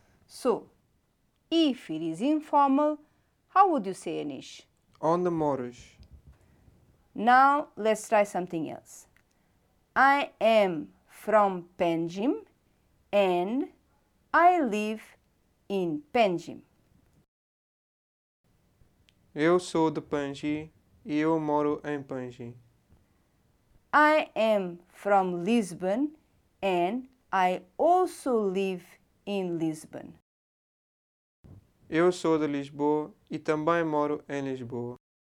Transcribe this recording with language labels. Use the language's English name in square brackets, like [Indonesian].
[English] So, if it is informal, how would you say Anish? [Portuguese] Onde moras? [English] Now, let's try something else. I am from Panjim and I live in Panjim. [Portuguese] Eu sou de Panji e eu moro em Panji. [English] I am from Lisbon and I also live in Lisbon. [Portuguese] Eu sou de Lisboa e também moro em Lisboa.